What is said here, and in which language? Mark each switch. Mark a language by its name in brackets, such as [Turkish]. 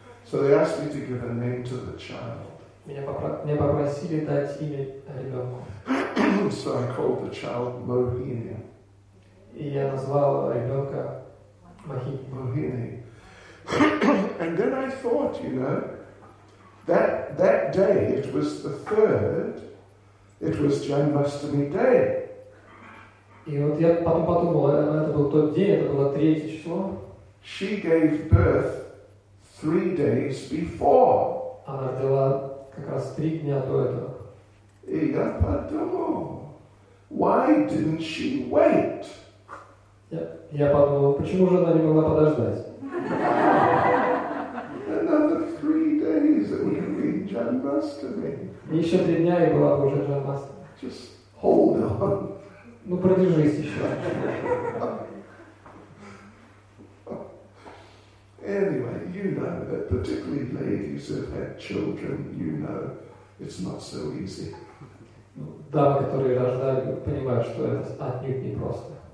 [English] So they asked me to give a name to the child. [Russian] Меня попросили дать имя ребенку. [English] So I called the child Mohini. [Russian] И я назвал ребенка Мохини. Мохини. [English] And then I thought, you know, that day, it was the third, it was Janmashtami day. [Russian] И вот я потом подумал, это был тот день, это было 3-е число. [English] She gave birth 3 days before. [Russian] Она родила как раз 3 дня до этого. И я подумал, [English] why didn't she wait? [Russian] Я подумал, почему же она не могла подождать? [English] Another 3 days, it would have been Janmashtami. [Russian] Еще 3 дня, и была бы уже Janmashtami. [English] Just hold on. [Russian] Ну, продержись еще. [English] Anyway, you know that particularly ladies who've had children, you know, it's not so easy. [Russian] Дамы, которые рождали, понимают, что это отнюдь не просто.